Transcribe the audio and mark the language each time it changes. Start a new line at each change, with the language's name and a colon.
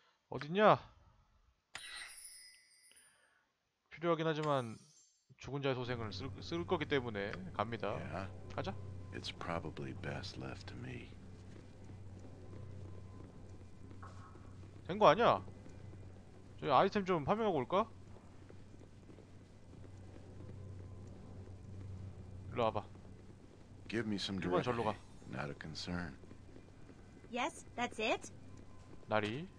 Korean: 어딨냐? 필요하긴 하지만 죽은 자의 소생을 쓸 거기 때문에 갑니다. 가자.
English: It's probably best left to me.
Korean: 된 거 아니야? 저 아이템 좀 파밍하고 올까? 이리 와봐.
English: Give me some direction.
Korean: 절로 가.
English: Not a concern. Yes, that's it.
Korean: 나리.